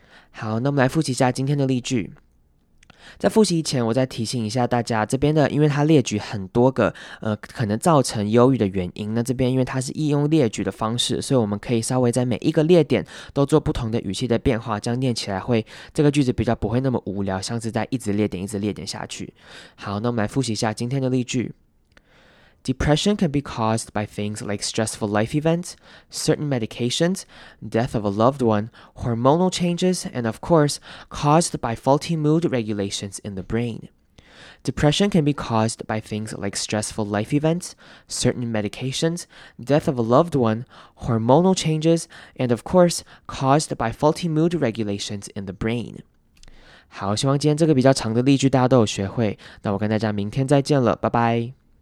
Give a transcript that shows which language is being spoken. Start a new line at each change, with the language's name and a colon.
Chinese: 好，那我们来复习一下今天的例句。在复习前我再提醒一下大家，这边的因为它列举很多个可能造成忧郁的原因，那这边因为它是易用列举的方式，所以我们可以稍微在每一个列点都做不同的语气的变化，这样念起来会这个句子比较不会那么无聊，像是在一直列点一直列点下去。好，那我们来复习一下今天的例句。
English: Depression can be caused by things like stressful life events, certain medications, death of a loved one, hormonal changes, and of course, caused by faulty mood regulations in the brain. Depression can be caused by things like stressful life events, certain medications, death of a loved one, hormonal changes, and of course, caused by faulty mood regulations in the brain.
Chinese: 好，希望今天这个比较长的例句大家都有学会。那我跟大家明天再见了，拜拜。